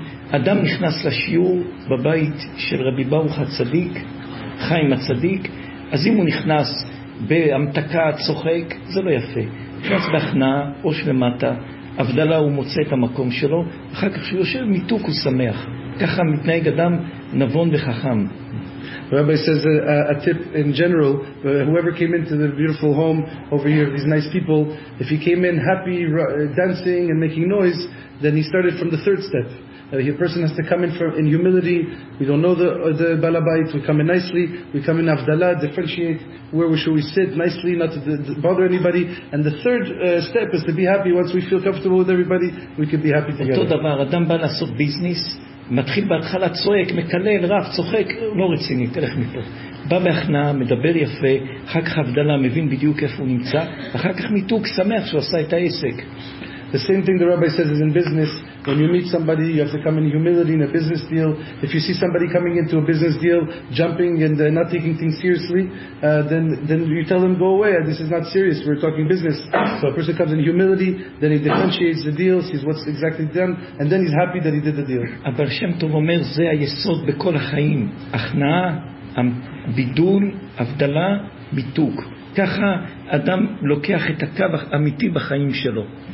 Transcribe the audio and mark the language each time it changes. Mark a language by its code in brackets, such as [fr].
[he] אדם נכנס לשיעור בבית של רבי ברוך הצדיק, חיים הצדיק, אז אם הוא נכנס בהמתקה, צוחק, זה לא יפה. נכנס בהכנעה, ראש למטה, הבדלה, הוא מוצא את המקום שלו, אחר כך שהוא יושב, מיתוק, הוא שמח. ככה מתנהג אדם נבון וחכם. [en] Rabbi says a tip in general, whoever came into the beautiful home over here, these nice people, if he came in happy, dancing and making noise, then he started from the third step. A person has to come in in humility. We don't know the balabait. We come in nicely. We come in avdala, differentiate. Where should we sit? Nicely, not to bother anybody. And the third step is to be happy. Once we feel comfortable with everybody, we can be happy together. [he] אותו דבר, אדם בא לעשות ביזנס, מתחיל בהתחלה צועק, מקלל, רב, צוחק, לא רציני, תלך מפה. בא בהכנעה, מדבר יפה, אחר כך הבדלה, מבין בדיוק איפה הוא נמצא, אחר כך מיתוק, שמח שהוא עשה את העסק. [en] The same thing the rabbi says is in business. When you meet somebody, you have to come in humility in a business deal. If you see somebody coming into a business deal, jumping and not taking things seriously, then you tell them, go away, this is not serious, we're talking business. So a person comes in humility, then he differentiates the deal, sees what's exactly done, and then he's happy that he did the deal. [he] אבל שם טוב אומר, זה היסוד בכל החיים. הכנעה, בידול, הבדלה, ביטוק. ככה אדם לוקח את הקו האמיתי בחיים שלו.